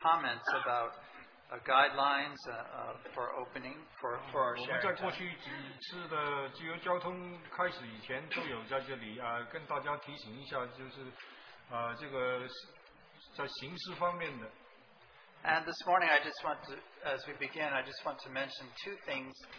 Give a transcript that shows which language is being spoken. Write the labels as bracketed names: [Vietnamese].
[English] comments about guidelines for opening for our sharing. [Chinese] 我们在过去几次的自由交通开始以前都有在这里跟大家提醒一下，就是这个在行事方面的。 [English] And this morning, I just want to, as we begin, I just want to mention two things.